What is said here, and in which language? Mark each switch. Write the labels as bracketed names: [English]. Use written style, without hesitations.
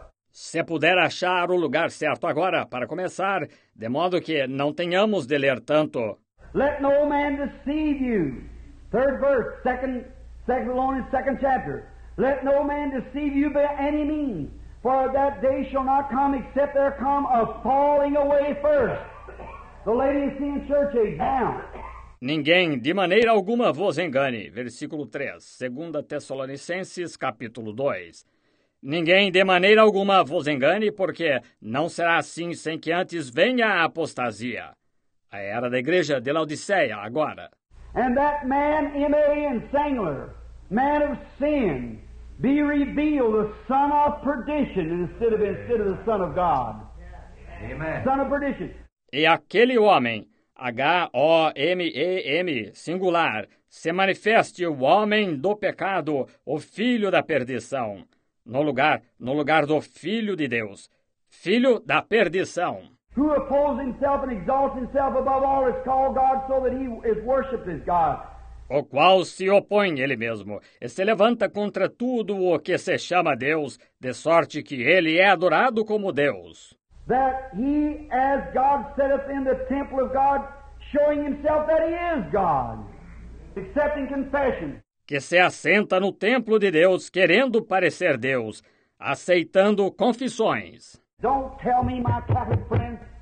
[Portuguese] Se puder achar o lugar certo agora para começar, de modo que não tenhamos de ler tanto. [English] Let no man deceive you. Third verse, second Thessalonians, second chapter. Let no man deceive you by any means. For that day shall not come except there come a falling away first. The Laodicean church is down. [Portuguese] Ninguém de maneira alguma vos engane. Versículo 3, 2 Tessalonicenses, capítulo 2. Ninguém de maneira alguma vos engane, porque não será assim sem que antes venha a apostasia. A era da igreja de Laodiceia, agora. [English] And that man, M.A. and Sengler, man of sin, be revealed, the son of perdition, instead of the son of God. Amen. Son of perdition. [Portuguese] E aquele homem, H-O-M-E-M, singular, se manifeste o homem do pecado, o filho da perdição, no lugar do filho de Deus, filho da perdição. [English] Who opposes himself and exalts himself above all is called God, so that he is worshipped as God. [Portuguese] O qual se opõe ele mesmo e se levanta contra tudo o que se chama Deus, de sorte que ele é adorado como Deus. [English] That he, as God, setteth in the temple of God, showing himself that he is God, accepting confession. [Portuguese] Que se assenta no templo de Deus, querendo parecer Deus, aceitando confissões. [English] Don't tell me, my Catholic friends.